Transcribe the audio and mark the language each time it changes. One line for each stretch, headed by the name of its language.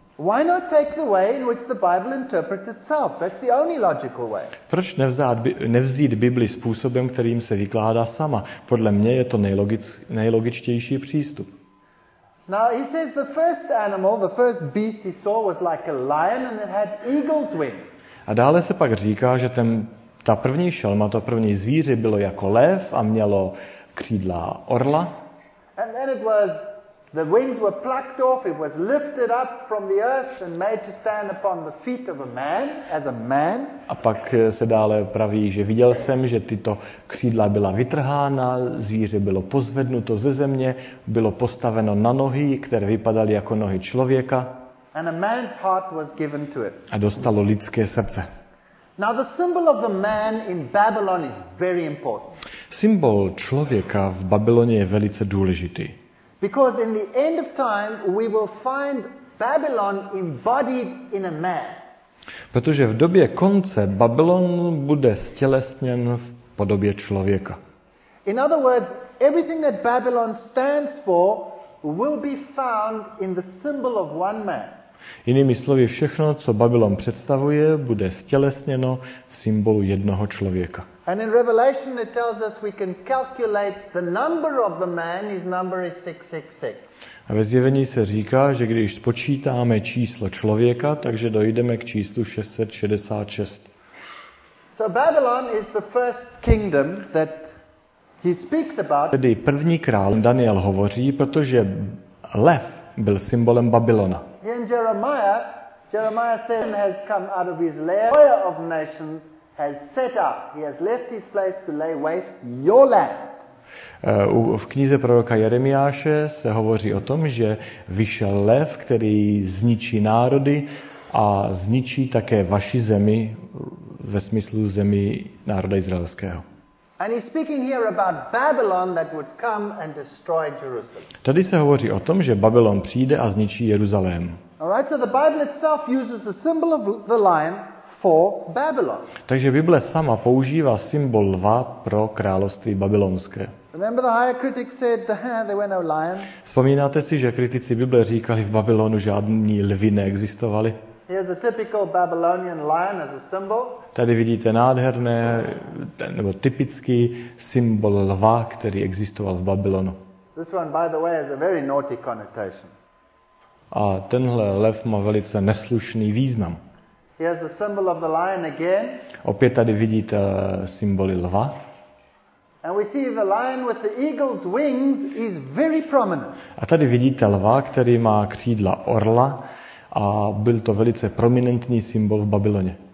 English: Why not take the way in which the Bible interprets itself? That's the only logical way.
Czech: Proč nevzít Bibli způsobem, kterým se vykládá sama? Podle mě je to nejlogičtější přístup.
English: Now he says the first animal, the first beast he saw was like a lion and it had eagle's wing.
Czech: A dále se pak říká, že ta první šelma, to první zvíře bylo jako lev a mělo křídla orla.
English: And then it was, the wings were plucked off, it was lifted up from the earth and made to stand upon the feet of a man, as a man.
Czech: A pak se dále praví, že viděl jsem, že tyto křídla byla vytrhána, zvíře bylo pozvednuto ze země, bylo postaveno na nohy, které vypadaly jako nohy člověka.
English: And a man's heart was given to it.
Czech: A dostalo lidské srdce.
English: Now the symbol of the man in Babylon is very important.
Czech: Symbol člověka v Babyloně je velice důležitý.
English: Because in the end of time we will find Babylon embodied in a man.
Czech: Protože v době konce Babylon bude stělesněn v podobě člověka.
English: In other words, everything that Babylon stands for will be found in the symbol of one man.
Czech: Jinými slovy, všechno, co Babylon představuje, bude stělesněno v symbolu jednoho člověka.
English: And in Revelation it tells us we can calculate the number of the man, his number is 666.
Czech: A ve zjevení se říká, že když spočítáme číslo člověka, takže dojdeme k číslu 666.
English: So Babylon is the first kingdom that he speaks about.
Czech: Tedy první král Daniel hovoří, protože lev byl symbolem Babylona.
English: In Jeremiah said has come out of his lair, fire of nations has set up. He has left his place to lay waste your land.
Czech: V knize proroka Jeremiáše se hovoří o tom, že vyšel lev, který zničí národy a zničí také vaši zemi ve smyslu zemi národa izraelského.
English: And he's speaking here about Babylon that would come and destroy Jerusalem.
Czech: Tady se hovoří o tom, že Babylon přijde a zničí Jeruzalém.
English: All right, so the Bible itself uses the symbol of the lion for Babylon.
Czech: Takže Bible sama používá symbol lva pro království babylonské.
English: Remember the higher critics said there were no lions?
Czech: Vzpomínáte si, že kritici Bible říkali, v Babylonu žádní lvi neexistovaly?
English: Here's a typical Babylonian lion as a symbol.
Czech: Tady vidíte nádherné, nebo typický symbol lva, který existoval v Babylonu.
English: This one, by the way, has a very naughty connotation.
Czech: A tenhle lev má velice neslušný význam.
English: Here's the symbol of the lion again.
Czech: Opět tady vidíte symboly lva.
English: And we see the lion with the eagle's wings is very prominent.
Czech: A tady vidíte lva, který má křídla orla a byl to velice prominentní symbol v Babyloně.